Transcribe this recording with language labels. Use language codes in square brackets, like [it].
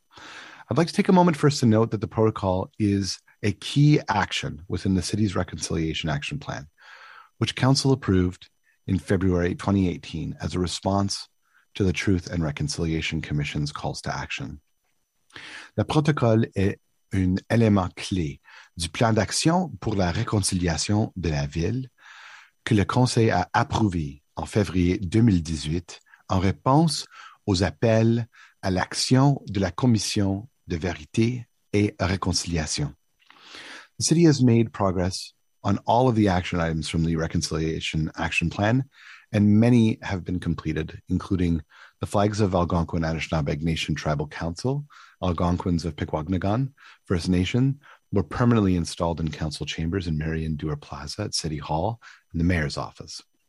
[en] I'd like to take a moment first to note that the protocol is a key action within the City's Reconciliation Action Plan, which Council approved in February 2018 as a response to the Truth and Reconciliation Commission's calls to action. [fr] Le protocole est un élément clé du plan d'action pour la réconciliation de la ville que le Conseil a approuvé en février 2018 en réponse aux appels à l'action de la Commission de vérité et réconciliation. [en] The city has made progress on all of the action items from the Reconciliation Action Plan, and many have been completed, including the flags of Algonquin Anishinaabe Nation Tribal Council, Algonquins of Pequawkinagan First Nation, were permanently installed in council chambers in Marion Dewar Plaza at City Hall and the Mayor's Office.